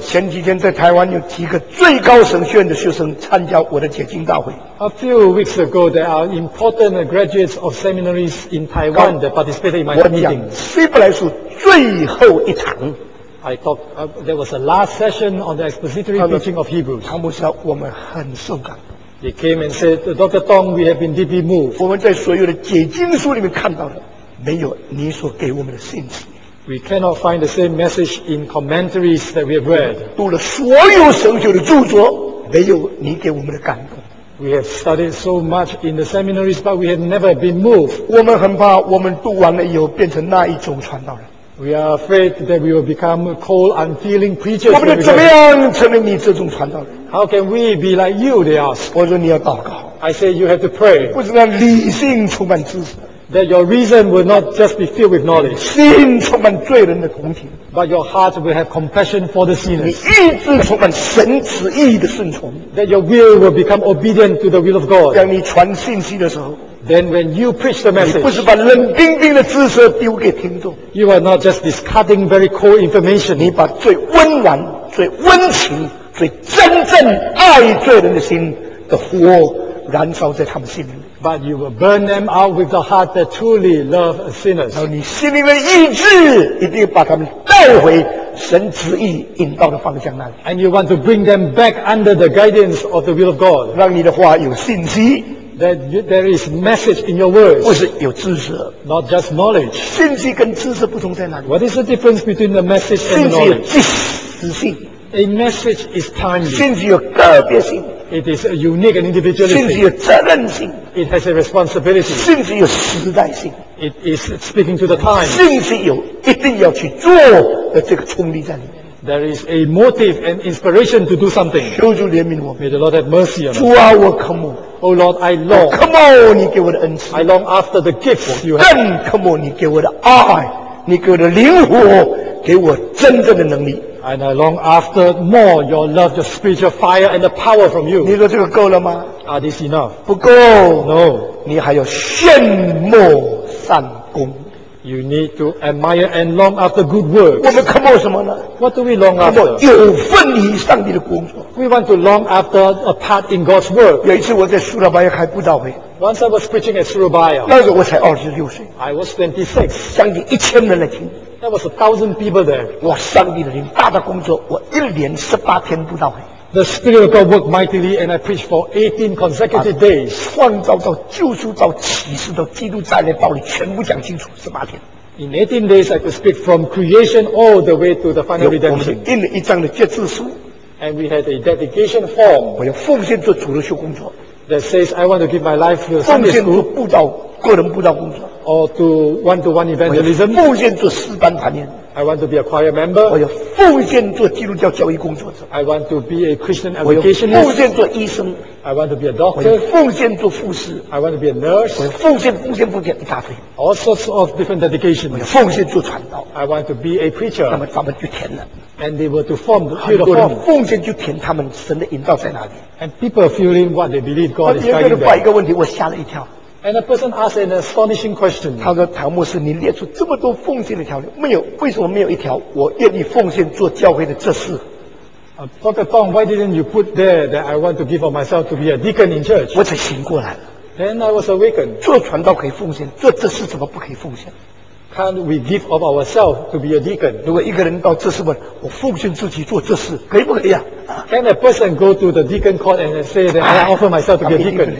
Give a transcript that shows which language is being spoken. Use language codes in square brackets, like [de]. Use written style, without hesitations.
[zh] 前几天在台湾有几个最高神学院的学生参加我的解经大会 [en] A few weeks ago, there are important graduates of seminaries in Taiwan that participated in my meeting. [zh] 希伯来书最后一堂 [en] I talked, there was a last session on the expository teaching of Hebrews. [zh] 唐牧师我们很受感动 [en] He came and said, Dr. Tong, we have been deeply moved. [zh] 我们在所有的解经书里面看到的没有你所给我们的信息 [en] We cannot find the same message in commentaries that we have read. [zh] 读了所有神学的著作，没有你给我们的感动。 [en] We have studied so much in the seminaries, but we have never been moved. [zh] 我们很怕我们读完了以后变成那一种传道人。 [en] We are afraid that we will become cold, unfeeling preachers. [zh] 我们怎么样成为你这种传道人？ [en] How can we be like you, they ask. [zh] 我说你要祷告。 [en] I say you have to pray. [zh] 不是让理性充满知识。 [en] That your reason will not just be filled with knowledge. [zh] 心充满罪人的同情。 [en] But your heart will have compassion for the sinners. [zh] 你意志充满神旨意的顺从。 [en] That your will will become obedient to the will of God. [zh] 当你传信息的时候。 [en] Then when you preach the message, [zh] 你不是把冷冰冰的知识丢给听众。 [en] You are not just discarding very cold information. [zh] 你把最温暖、最温情、最真正爱罪人的心的火燃烧在他们心里。 [en] But you will burn them out with the heart that truly loves sinners. [zh] 然后你心里的意志一定把他们带回神旨意引导的方向那里。 [en] And you want to bring them back under the guidance of the will of God. [zh] 让你的话有信息。 [en] That there is message in your words, [zh] 不是有知识 [en] not just knowledge. [zh] 信息跟知识不同在哪里？ [en] What is the difference between the message and knowledge? [zh] 信息有即时性。 [en] A message is timely. [zh] 信息有个别性。 [en] It is a unique and individualistic. [zh] 信息有责任性。 [en] It has a responsibility. [zh] 信息有时代性。 [en] It is speaking to the time. [zh] 信息有一定要去做的这个冲力在里面。 [en] There is a motive and inspiration to do something. [zh] 求主怜悯我。 [en] May the Lord have mercy on us. [zh] 主啊，我渴慕。 [en] O Lord, I long. [zh] 我渴慕你给我的恩赐。 [en] I long after the gifts you have. [zh] 更渴慕你给我的爱，你给我的灵活，给我真正的能力。 [en] And I long after more your love, your spiritual fire and the power from you. [zh] 你说这个够了吗？ [en] Are this enough? [zh] 不够。 [en] No. [zh] 你还要羡慕善功。 [en] You need to admire and long after good works. [zh] 我们渴慕什么呢？ [en] What do we long after? [zh] 渴慕有份于上帝的工作。 [en] We want to long after a part in God's work. [zh] 有一次我在苏拉巴亚开布道会。 [en] Once I was preaching at Surabaya. [zh] 那时候我才26岁。 [en] I was 26. [zh] 将近1000人来听。 [en] There was 1000 people there. [zh] 我上帝的灵大的工作，我一年18天布道会。 [en] The Spirit of God worked mightily and I preached for 18 consecutive days. [zh] 创造到救赎到启示到基督再来道理全部讲清楚18天。 [en] In 18 days I could speak from creation all the way to the final redemption. [zh] 我们印了一张的决志书。 [en] And we had a dedication form. [zh] 我要奉献做主的修工作。 [en] That says I want to give my life to Sunday school. [zh] 奉献做布道个人布道工作。 [en] Or to one-to-one evangelism. [zh] 奉献做诗班团员。 [en] I want to be a choir member. [zh] 我要奉献做基督教教育工作者。 [en] I want to be a Christian educationist. [zh] 我要奉献做医生。 [en] I want to be a doctor. [zh] 我要奉献做护士。 [en] I want to be a nurse. [zh] 我要奉献奉献奉献一大堆。 [en] All sorts of different dedications. [zh] 我要奉献做传道。 [en] I want to be a preacher. [zh] 那么他们就填了。 [en] And they were to form the field of faith. [zh] 奉献就填他们神的引导在哪里。 [en] And people fill in what they believe God is guiding them. [zh] 别人问一个问题，我吓了一跳。 [en] And a person asked an astonishing question. [zh] 他说：“唐牧师，你列出这么多奉献的条例，没有？为什么没有一条我愿意奉献做教会的执事？” [en] Dr. Tong, why didn't you put there that I want to give of myself to be a deacon in church? [zh] 我才醒过来。 [en] Then I was awakened. [zh] 做传道可以奉献，做执事怎么不可以奉献？ [en] Can't we give of ourselves to be a deacon? [zh] 如果一个人到执事问我奉献自己做执事，可以不可以啊？ [en] Can a person go to the deacon court and say that I offer myself to be a deacon?